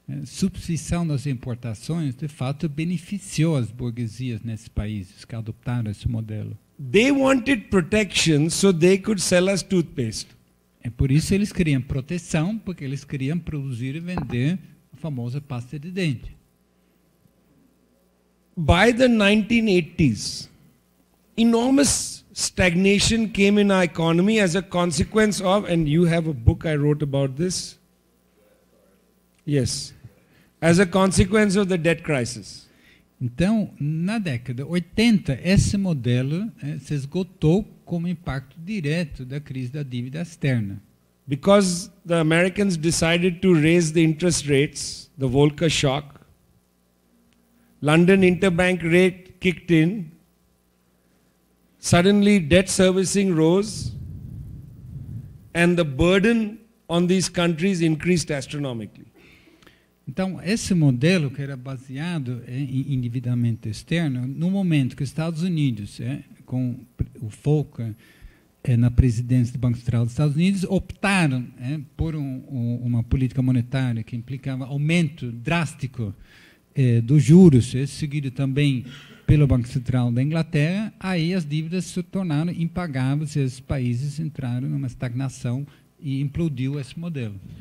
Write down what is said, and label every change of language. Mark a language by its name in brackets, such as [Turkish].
[Portuguese] Substituição das importações, de fato, beneficiou as burguesias nesses países que adotaram esse modelo. [English] They wanted protection so they could sell us toothpaste. [Portuguese] É por isso que eles queriam proteção, porque eles queriam produzir e vender a famosa pasta de dente. [English] By the 1980s, enormous stagnation came in our economy as a consequence of, and you have a book I wrote about this. Yes. As a consequence of the debt crisis. [Portuguese] Então, na década 80, esse modelo se esgotou como impacto direto da crise da dívida externa. [English] Because the Americans decided to raise the interest rates, the Volcker shock, London interbank rate kicked in, suddenly debt servicing rose, and the burden on these countries increased astronomically. [Portuguese] Então, esse modelo que era baseado em endividamento externo, no momento que os Estados Unidos, com o Volcker na presidência do Banco Central dos Estados Unidos, optaram por uma política monetária que implicava aumento drástico dos juros, seguido também pelo Banco Central da Inglaterra, aí as dívidas se tornaram impagáveis e os países entraram numa estagnação e implodiu esse modelo.